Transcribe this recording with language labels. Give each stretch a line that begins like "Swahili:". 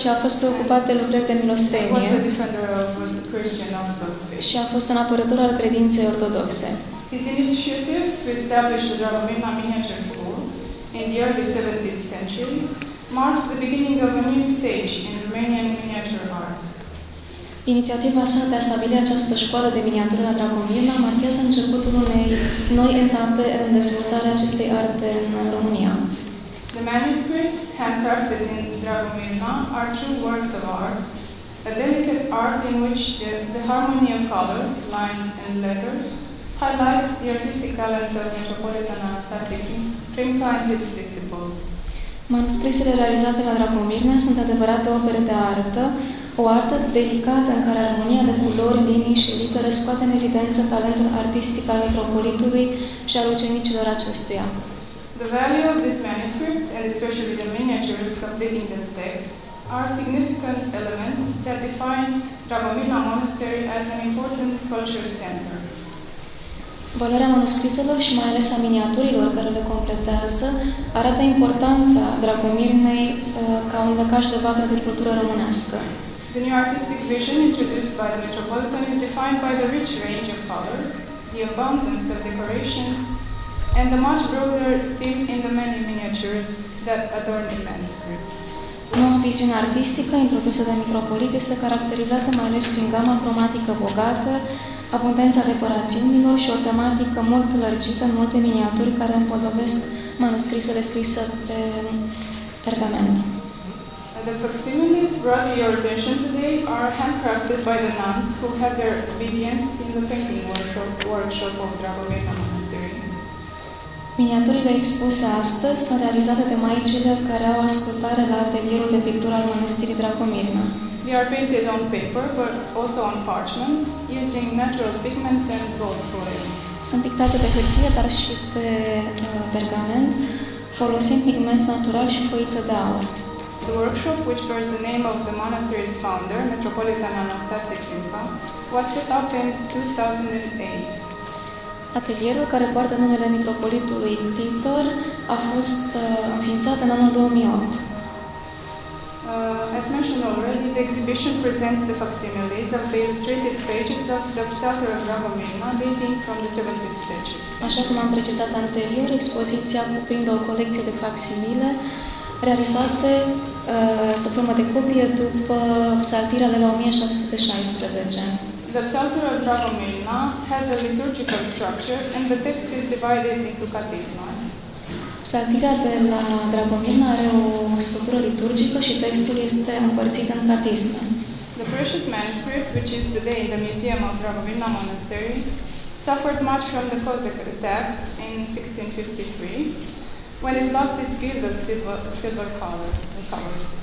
Romanian: Și a fost preocupat de lucrări de milostenie.
English: Was a defender of the Christian Orthodoxy.
Romanian: Și a fost un apărător al credinței ortodoxe.
English: His initiative to establish the Dragomirna Miniature School in the early 17th century marks the beginning of a new stage in Romanian miniature art.
Romanian: Inițiativa sa de a stabili această școală de miniatură la Dragomirna marchează începutul unei noi etape în dezvoltarea acestei arte în România.
English: The manuscripts handcrafted in Dragomirna are true works of art, a delicate art in which the harmony of colors, lines and letters highlights the artistic talent of Metropolitan Anastasie Kimpa and his disciples.
Romanian: Manuscrisele realizate la Dragomirna sunt adevărate opere de artă, o artă delicată în care armonia de culori, linii și litere scoate în evidență talentul artistic al mitropolitului și al ucenicilor acestuia.
English: The value of these manuscripts, and especially the miniatures completing the texts, are significant elements that define Dragomirna Monastery as an important cultural center.
Romanian: Valoarea manuscriselor și mai ales a miniaturilor care le completează arată importanța Dragomirnei ca un lăcaș de vatră de cultură românească.
English: The new artistic vision introduced by the Metropolitan is defined by the rich range of colors, the abundance of decorations, and the much broader theme in the many miniatures that adorn the manuscripts.
Romanian: Noua viziune artistică introdusă de Mitropolit este caracterizată mai ales prin gama cromatică bogată, abundența decorațiunilor și o tematică mult lărgită, multe miniaturi care împodobesc manuscrisele scrise pe pergament.
English: The facsimiles brought to your attention today are handcrafted by the nuns who had their obedience in the painting workshop of Dragomirna Monastery.
Romanian: Miniaturile expuse astăzi sunt realizate de maicile care au ascultare la atelierul de pictură al Mănăstirii Dragomirna.
English: They are painted on paper, but also on parchment, using natural pigments and gold foil.
Romanian: Sunt pictate pe hârtie, dar și pe pergament, folosind pigmente naturali și foiță de aur.
English: The workshop, which bears the name of the monastery's founder, Metropolitan Anastasie Kimpa, was set up in 2008.
Romanian: Atelierul care poartă numele Mitropolitului Titor a fost înființat în anul 2008.
English: As mentioned already, the exhibition presents the facsimiles of the illustrated pages of the Psalter of Dragomirna dating from the 17th century.
Romanian: Așa cum am precizat anterior, expoziția cuprinde o colecție de facsimile realizate sub formă de copie după psaltirea de la 1716.
English: The Psalter of Dragomirna has a liturgical structure and the text is divided into catechismas.
Romanian: Psaltirea de la Dragomirna are o structură liturgică și textul este împărțit în catisme.
English: The precious manuscript, which is today in the Museum of Dragomirna Monastery, suffered much from the Cossack attack in 1653, when it lost its gilded silver color, the colors.